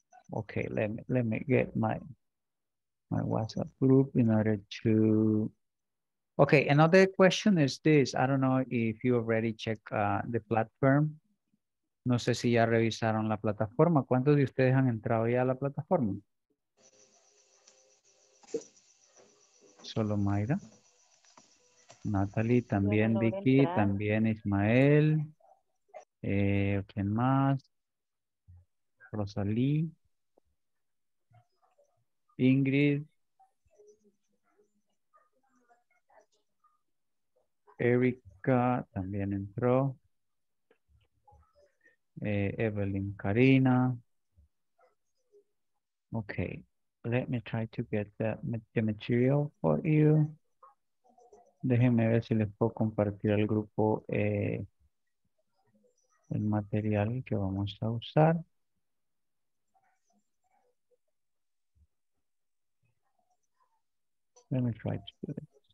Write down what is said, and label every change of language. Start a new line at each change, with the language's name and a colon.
English: Okay, let me get my WhatsApp group in order to... Okay, another question is this. I don't know if you already checked the platform.
Spanish: No sé si ya revisaron la plataforma. ¿Cuántos de ustedes han entrado ya a la plataforma? Solo Mayra. Natalie, también Vicky, también Ismael. ¿Quién más? Rosalie. Ingrid. Erika también entró. Evelyn, Karina.
English: Okay, let me try to get the material for you.
Spanish: Déjenme ver si les puedo compartir al grupo el material que vamos a usar.
English: Let me try to do it.